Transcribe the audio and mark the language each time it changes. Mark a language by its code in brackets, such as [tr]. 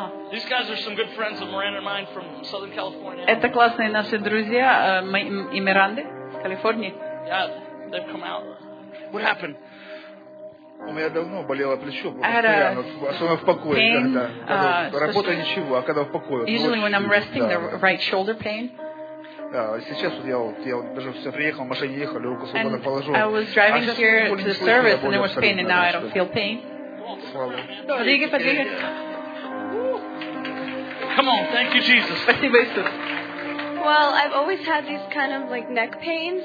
[en] These guys are some good friends of Miranda and mine from Southern California. [ru] Это классные наши друзья, и Миранды, из Калифорнии. [en] Yeah, they've come out. What happened? [ru] У меня давно болело плечо, постоянно, особенно в покое. [en] Pain, [ru] когда работа ничего, а когда в покое. [en] Usually when I'm resting, the right shoulder pain. [ru] Сейчас вот я даже все приехал, в машине ехал, руку свободно положил. [en] I was driving here to the service and there was pain and now I don't feel pain. [ru] Подвигай, подвигай. [en] Come on, thank you, Jesus. [ru] Спасибо, Иисус. [en] Well, I've always had these kind of like neck pains.